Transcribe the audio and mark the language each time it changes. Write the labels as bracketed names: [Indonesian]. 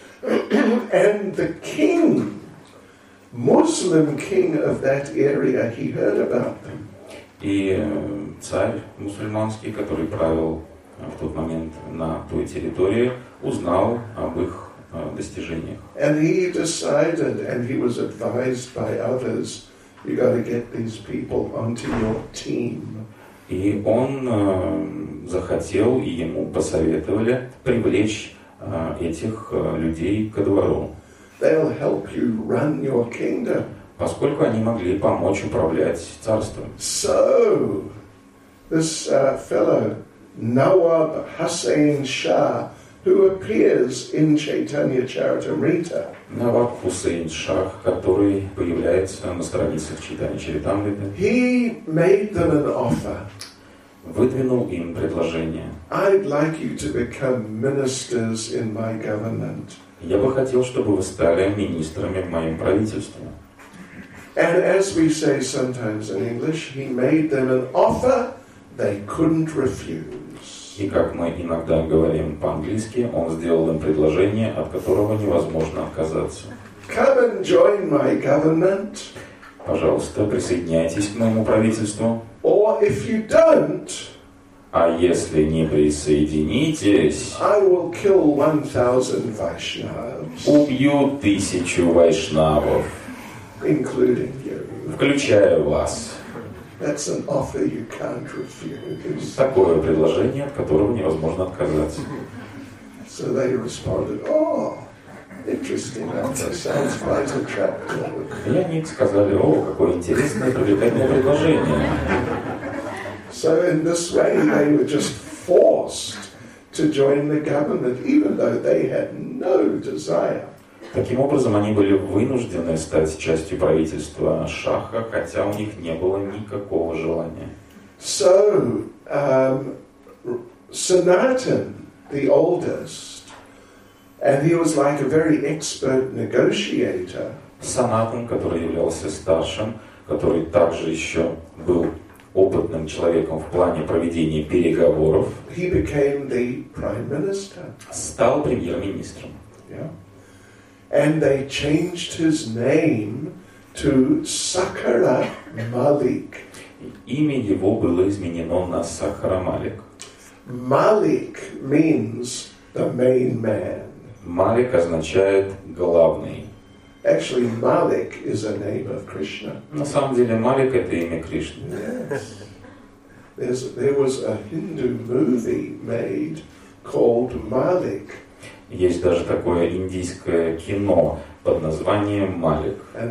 [English] And the king, Muslim king of that area, he heard about them. [Russian] И царь мусульманский, который правил в тот момент на той территории, узнал об их достижениях. [English] And he decided, and he was advised by others, you got to get these people onto your team. [Russian] И он захотел, и ему посоветовали привлечь этих людей ко двору. [English] They'll help you run your kingdom. [Russian] Поскольку они могли помочь управлять царством. [English] So, this fellow, Nawab Hussain Shah, who appears in Chaitanya Charitamrita. [Russian] Nawab Hussain Shah, который появляется на страницах Чайтаньи Чаритамриты. [English] He made them an offer. [Russian] Выдвинул им предложение. [English] I'd like you to become ministers in my government. [Russian] Я бы хотел, чтобы вы стали министрами в моем правительстве. [English] And as we say sometimes in English, he made them an offer they couldn't refuse. [Russian] И как мы иногда говорим по-английски, он сделал им предложение, от которого невозможно отказаться. [English] Come and join my government. [Russian] Пожалуйста, присоединяйтесь к моему правительству. [English] Or if you don't, [Russian] а если не присоединитесь, [English] I will kill 1,000 Vaishnavas. [Russian] Убью 1,000 вайшнавов. [English] Including you. [Russian] Включая вас. [English] That's an offer you can't refuse. [Russian] Такое предложение, от которого невозможно отказаться. [English] So they responded, oh, interesting offer, sounds quite attractive. [Russian] И они сказали, о, какое интересное, привлекательное предложение. [English] So in this way they were just forced to join the government, even though they had no desire. [Russian] Таким образом, они были вынуждены стать частью правительства Шаха, хотя у них не было никакого желания. [English] So, Sanatan, the oldest, and he was like a very expert negotiator. [Russian] Санатан, который являлся старшим, который также еще был опытным человеком в плане проведения переговоров, [English] he became the prime minister. [Russian] Стал премьер-министром. [English] Yeah. And they changed his name to Sakara Malik. [Russian] Имя его было изменено на Сахара Малик. [English] Malik means the main man. [Russian] Малик означает главный. [English] Actually, Malik is a name of Krishna. [Russian] На самом деле, Малик — это имя Кришны. [English] Yes. There was a Hindu movie made called Malik. [Russian] Есть даже такое индийское кино под названием «Малик».